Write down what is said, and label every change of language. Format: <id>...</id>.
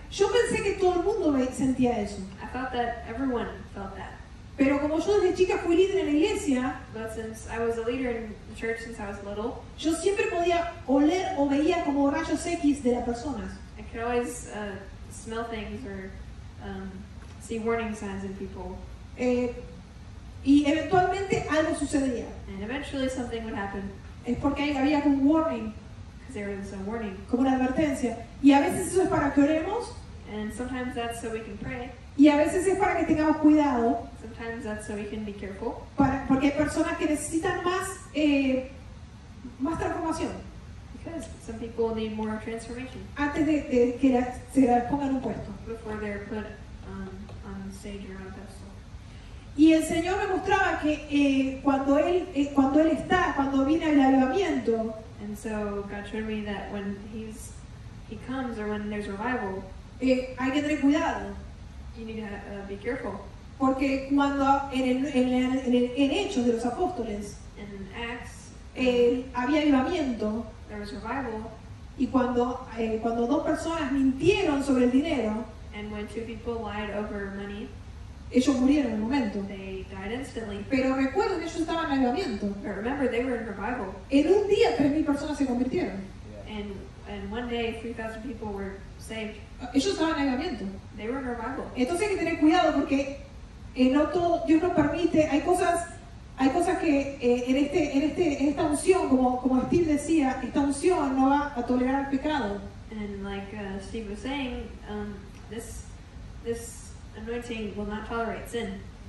<es>Yo pensé que todo el mundo sentía eso.</es> <en>I thought that everyone felt that.</en> <es>Pero como yo desde chica fui líder en la iglesia.</es> <en>But since I was a leader in the church since I was little.</en> <es>Yo siempre podía oler o veía como rayos X de las personas.</es> <en>I could always smell things or see warning signs in people.</en> <es>Y eventualmente algo sucedía.</es> <en>And eventually something would happen.</en> <es>Es porque había un warning.</es> <en>Because there was a warning.</en> <es>Como una advertencia. Y a veces eso es para que oremos.</es> <en>And sometimes that's so we can pray.</en> <es>Y a veces es para que tengamos cuidado.</es> <en>Sometimes that's so we can be careful.</en> <es>Porque hay personas que necesitan más transformación.</es> <en>Because some people need more transformation.</en> <es>Antes de que se la pongan un puesto.</es> <en>Before they're put on stage or on pedestal.</en> <es>Y el Señor me mostraba que cuando viene el avivamiento.</es> <en>And so God showed me that when he comes or when there's revival.</en> <es>Hay que tener cuidado.</es> <en>You need to be careful.</en> <es>Porque cuando en Hechos de los Apóstoles.</es> <en>In Acts.</en> <es>Había avivamiento.</es> <en>There was revival.</en> <es>Y cuando dos personas mintieron sobre el dinero.</es> <en>And when two people lied over money.</en> <es>Ellos murieron en el momento.</es> <en>They died instantly.</en> <es>Pero recuerdo que ellos estaban en avivamiento.</es> <en>But remember, they were in revival.</en> <es>En un día 3,000 personas se convirtieron.</es> <en>Yeah. And one day 3,000 people were saved.</en> <es>Ellos estaban en avivamiento.</es> <en>They were in revival.</en> <es>Entonces hay que tener cuidado porque Dios no permite, hay cosas que en esta unción, como Steve decía, esta unción no va a tolerar el pecado.</es> <en>And like Steve was saying, this anointing will not tolerate sin.</en>